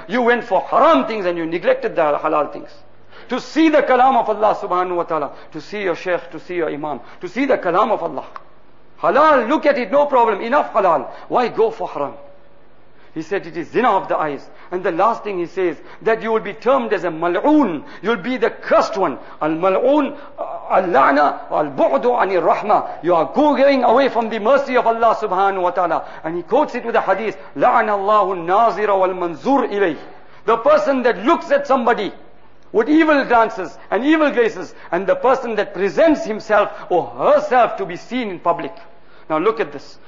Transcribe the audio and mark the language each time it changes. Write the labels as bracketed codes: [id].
[en] You went for haram things and you neglected the halal things. To see the kalam of Allah subhanahu wa ta'ala, to see your sheikh, to see your imam, to see the kalam of Allah. Halal, look at it, no problem, enough halal. Why go for haram? He said it is zina of the eyes. And the last thing he says, that you will be termed as a mal'oon. You will be the cursed one. Al-mal'oon, [ar] اللعنة والبعد عن الرحمة. [en] You are going away from the mercy of Allah subhanahu wa ta'ala. And he quotes it with a hadith, [ar] لعن الله الناظر والمنظور إليه. [en] The person that looks at somebody with evil glances and evil graces, and the person that presents himself or herself to be seen in public. Now look at this.